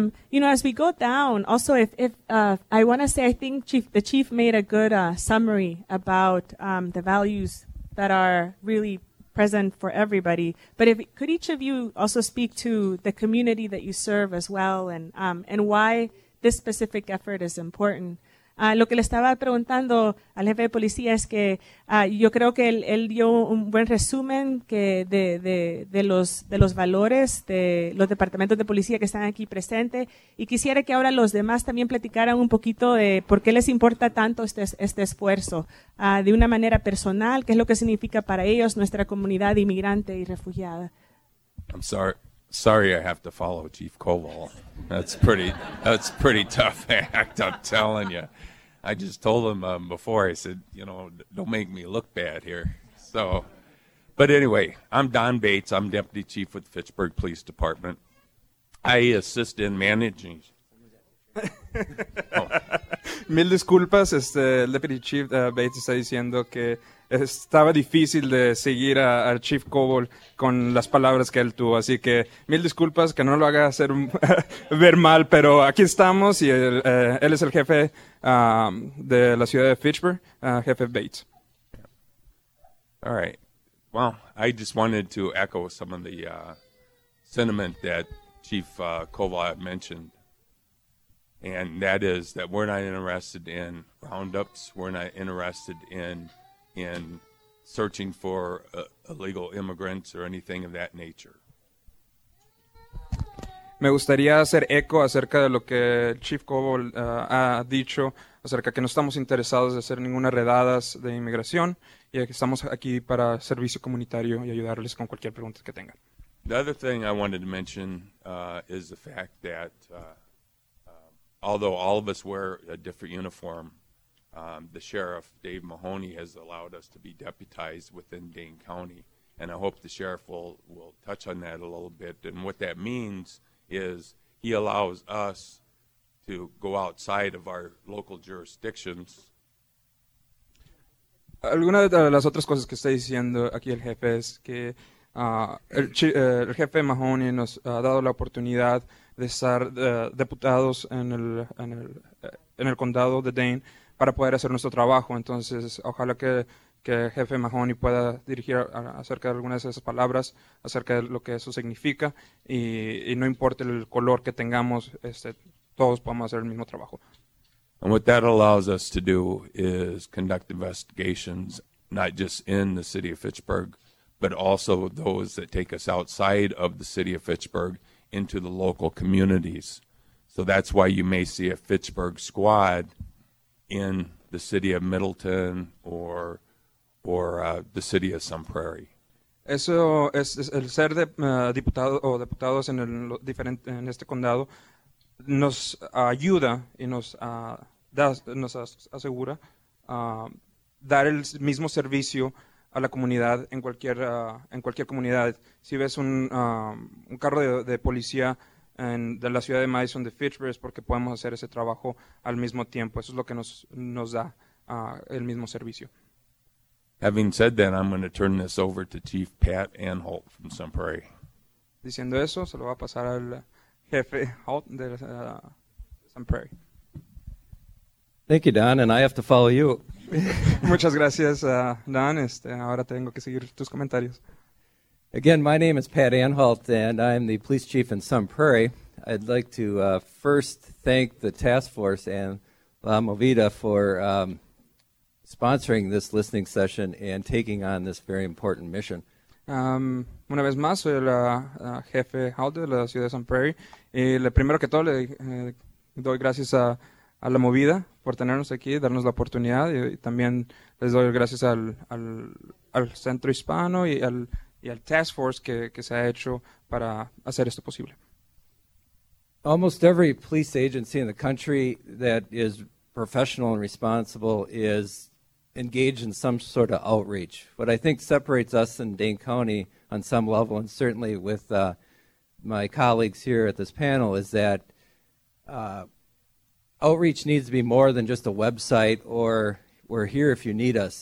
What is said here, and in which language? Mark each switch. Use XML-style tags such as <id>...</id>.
<en>You know, as we go down, also if I want to say, I think the chief made a good summary about the values that are really present for everybody. But if could each of you also speak to the community that you serve as well, and why this specific effort is important</en> <es>Lo que le estaba preguntando al jefe de policía es que yo creo que él dio un buen resumen que de los valores de los departamentos de policía que están aquí presentes, y quisiera que ahora los demás también platicaran un poquito de por qué les importa tanto este esfuerzo, de una manera personal, qué es lo que significa para ellos nuestra comunidad inmigrante y refugiada.</es> <en>I'm sorry I have to follow Chief Koval. That's pretty tough act, I'm telling you. I just told him before, I said, you know, don't make me look bad here. So, but anyway, I'm Don Bates. I'm Deputy Chief with the Fitchburg Police Department. I assist in managing.</en> <es>Mil disculpas, el Deputy Chief Bates está diciendo que estaba difícil de seguir a Chief Koval con las palabras que él tuvo. Así que mil disculpas, que no lo haga hacer ver mal, pero aquí estamos y él es el jefe de la ciudad de Fitchburg, jefe Bates.</es> <en>All right. Well, I just wanted to echo some of the sentiment that Chief Koval mentioned. And that is that we're not interested in roundups. We're not interested in searching for illegal immigrants or anything of that nature.</en> <es>Me gustaría hacer eco acerca de lo que Chief Koval ha dicho acerca que no estamos interesados en hacer ninguna redadas de inmigración y que estamos aquí para servicio comunitario y ayudarles con cualquier pregunta que tengan.</es> <en>The other thing I wanted to mention is the fact that although all of us wear a different uniform, the sheriff, Dave Mahoney, has allowed us to be deputized within Dane County. And I hope the sheriff will touch on that a little bit. And what that means is he allows us to go outside of our local jurisdictions.</en> <es>Alguna de las otras cosas que está diciendo aquí el jefe es que el jefe Mahoney nos ha dado la oportunidad de estar deputados en el condado de Dane para poder hacer nuestro trabajo. Entonces, ojalá que el jefe Mahoney pueda dirigir acerca de algunas de esas palabras, acerca de lo que eso significa, y no importa el color que tengamos, todos podemos hacer el mismo trabajo.</es> <en>And what that allows us to do is conduct investigations, not just in the city of Fitchburg, but also those that take us outside of the city of Fitchburg into the local communities. So that's why you may see a Fitchburg squad in the city of Middleton or the city of Sun Prairie.</en> <es>Eso es el ser de, diputado o diputados en el diferente en este condado nos ayuda y nos asegura dar el mismo servicio a la comunidad en cualquier comunidad. Si ves un carro de policía de la ciudad de Madison, de Fitchburg, es porque podemos hacer ese trabajo al mismo tiempo. Eso es lo que nos da el mismo servicio.</es> <en>Having said that, I'm going to turn this over to Chief Pat Anholt from Sun Prairie.</en> <es>Diciendo eso, se lo va a pasar al jefe Holt de Sun Prairie.</es> <en>Thank you, Don, and I have to follow you.</en> <es>Muchas gracias, Don. Ahora tengo que seguir tus comentarios.</es> <en>Again, my name is Pat Anholt, and I'm the police chief in Sun Prairie. I'd like to first thank the task force and La Movida for sponsoring this listening session and taking on this very important mission.</en> <es>Una vez más, soy el jefe Holt de la ciudad de Sun Prairie. Y lo primero que todo, le doy gracias a La Movida por tenernos aquí, darnos la oportunidad. Y también les doy gracias al Centro Hispano y al Task Force que se ha hecho para hacer esto posible.</es> <en>Almost every police agency in the country that is professional and responsible is engaged in some sort of outreach. What I think separates us in Dane County on some level, and certainly with my colleagues here at this panel, is that outreach needs to be more than just a website or we're here if you need us.</en>